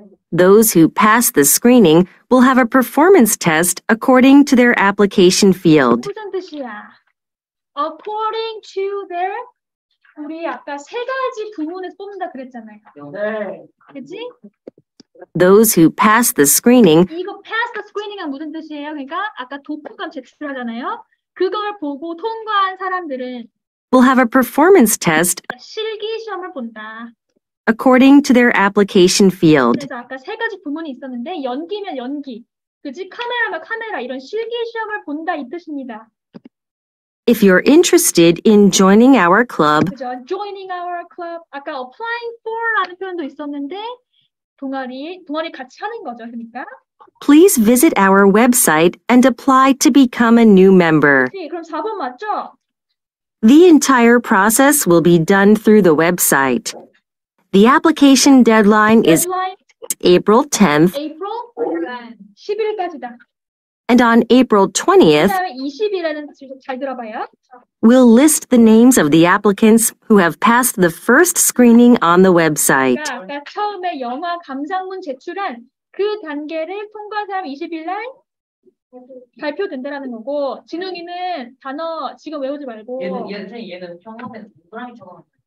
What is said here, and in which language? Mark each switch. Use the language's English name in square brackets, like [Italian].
[English] Those who pass the screening will have a performance test according to their application field. [Korean] 무슨 뜻이야? [English] According to their [Korean] 우리 아까 세 가지 부문에서 뽑는다 그랬잖아요. 네. 그렇지? [English] Those who pass the screening [Korean] 이거 pass the screening은 무슨 뜻이에요? 그러니까 아까 도표감 제출하잖아요. 그걸 보고 통과한 사람들은 [English] will have a performance test [Korean] 실기 시험을 본다. [English] According to their application field. [Korean] 그래서 아까 세 가지 부문이 있었는데 연기면 연기, 그지? 카메라면 카메라 이런 실기 시험을 본다 이 뜻입니다. [English] If you're interested in joining our club. [Korean] 그죠? [English] Joining our club. [Korean] 아까 applying for라는 표현도 있었는데 동아리 같이 하는 거죠, 그러니까. [English] Please visit our website and apply to become a new member. [Korean] 네, 그럼 4번 맞죠? [English] The entire process will be done through the website. The application deadline is April 10th. [Korean] April 10일까지다. [English] And on April 20th, [Korean] 20일에는 잘 들어봐요. [English] We'll list the names of the applicants who have passed the first screening on the website. [Korean] 그러니까 처음에 영화 감상문 제출한 그 단계를 통과한 사람 20일 날 발표된다라는 거고 진웅이는 단어 지금 외우지 말고 얘는 평소에 누구랑이 적어놨어.